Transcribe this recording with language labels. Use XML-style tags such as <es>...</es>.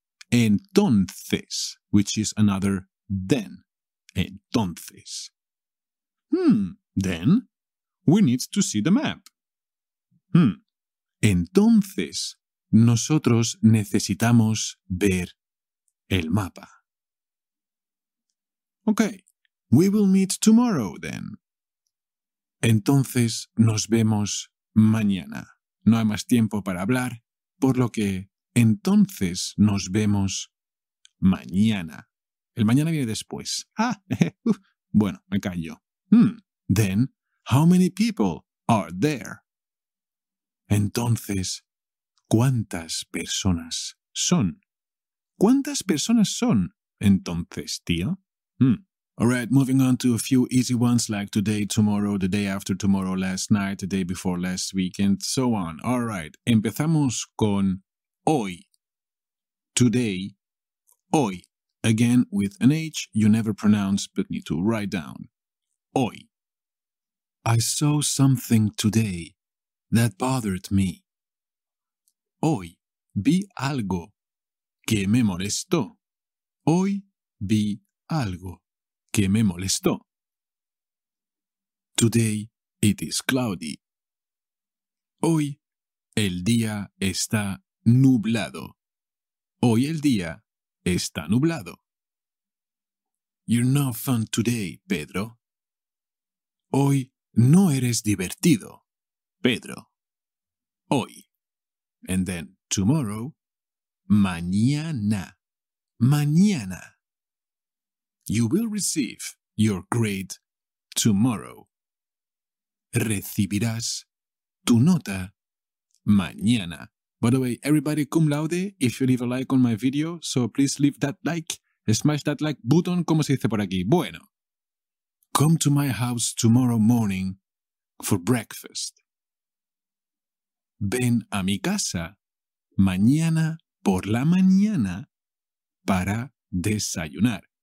<en>Entonces, which is another then. Entonces. Then, we need to see the map.</en> <es>Entonces, nosotros necesitamos ver el mapa.</es> <en>Okay, we will meet tomorrow then.</en> <es>Entonces nos vemos mañana. No hay más tiempo para hablar, por lo que entonces nos vemos mañana. El mañana viene después. Ah, bueno, me callo.</es> <en>Then, how many people are there?</en> <es>Entonces, ¿cuántas personas son? ¿Cuántas personas son, entonces, tío?</es> <en>Alright, moving on to a few easy ones like today, tomorrow, the day after tomorrow, last night, the day before, last weekend, so on.</en> <es>Alright, empezamos con hoy.</es> <en>Today, hoy. Again, with an H you never pronounce but need to write down. Hoy. I saw something today that bothered me.</en> <es>Hoy vi algo que me molestó. Hoy vi algo que me molestó.</es> <en>Today it is cloudy.</en> <es>Hoy el día está nublado. Hoy el día está nublado.</es> <en>You're no fun today, Pedro.</en> <es>Hoy no eres divertido, Pedro. Hoy.</es> <en>And then tomorrow, mañana, mañana. You will receive your grade tomorrow.</en> <es>Recibirás tu nota mañana.</es> <en>By the way, everybody cum laude, if you leave a like on my video, so please leave that like, smash that like button,</en> <es>como se dice por aquí. Bueno.</es> <en>Come to my house tomorrow morning for breakfast.</en> <es>Ven a mi casa mañana por la mañana para desayunar.</es>